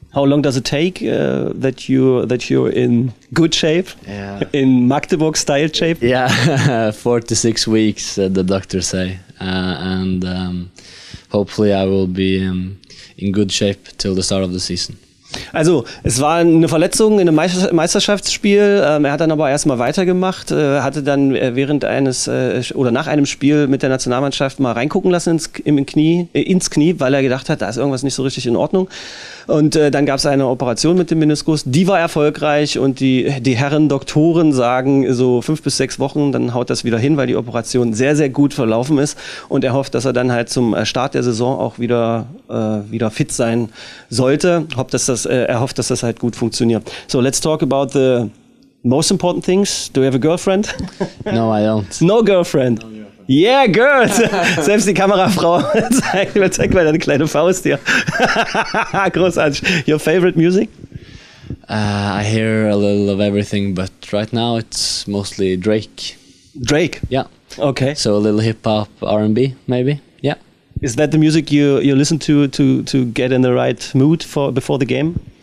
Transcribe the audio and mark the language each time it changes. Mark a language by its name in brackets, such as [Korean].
[English] How long does it take that you're in good shape, yeah, in Magdeburg style shape? Yeah, 4 to 6 weeks, the doctors say, and hopefully I will be in good shape till the start of the season. [German] Also, es war eine Verletzung in einem Meisterschaftsspiel. Er hat dann aber erstmal weitergemacht, hatte dann während eines oder nach einem Spiel mit der Nationalmannschaft mal reingucken lassen ins Knie, weil er gedacht hat, da ist irgendwas nicht so richtig in Ordnung. Und dann gab es eine Operation mit dem Meniskus, die war erfolgreich und die Herren Doktoren sagen, so 5 bis 6 Wochen, dann haut das wieder hin, weil die Operation sehr, sehr gut verlaufen ist. Und er hofft, dass er dann halt zum Start der Saison auch wieder fit sein sollte. Er hofft, dass das halt gut funktioniert. [English] So, let's talk about the most important things. Do you have a girlfriend? No, I don't. No girlfriend. Yeah, girls! [German] Selbst die Kamerafrau zeigt mir deine kleine Faust hier. Großartig. [English] Your favorite music? I hear a little of everything, but right now it's mostly Drake. Drake? Yeah. Okay. So a little hip-hop, R&B, maybe. Yeah. Is that the music you listen to get in the right mood for before the game?